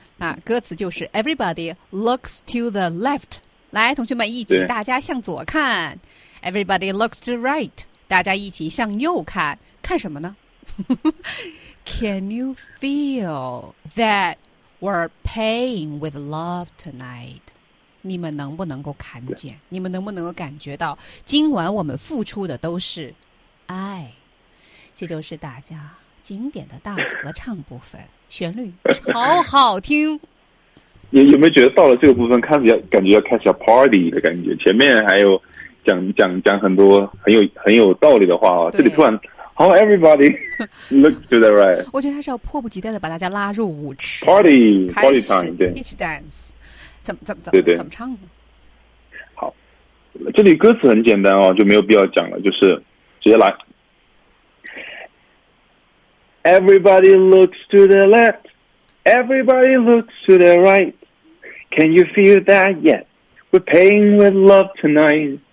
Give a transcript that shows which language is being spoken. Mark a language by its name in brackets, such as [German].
[Chinese] 啊，歌词就是 [English] everybody looks to the left， [Chinese] 来，同学们一起，大家向左看 [English] ，everybody looks to the right， [Chinese] 大家一起向右看，看什么呢？ [English] Can you feel that we're paying with love tonight？ [Chinese] 你们能不能够看见？你们能不能够感觉到，今晚我们付出的都是爱？这就是大家经典的大合唱部分，旋律超好听。有没有觉得到了这个部分，开始要感觉要开始要 party 的感觉？前面还有讲很多很有道理的话啊，这里突然 ， [English] How everybody look to the right？ [Chinese] 我觉得他是要迫不及待的把大家拉入舞池 [English] ，party time， [Chinese] 对，一起 dance， 怎么唱呢？好，这里歌词很简单哦，就没有必要讲了，就是直接来。 [English] Everybody looks to the left. Everybody looks to the right. Can you feel that yet? We're paying with love tonight.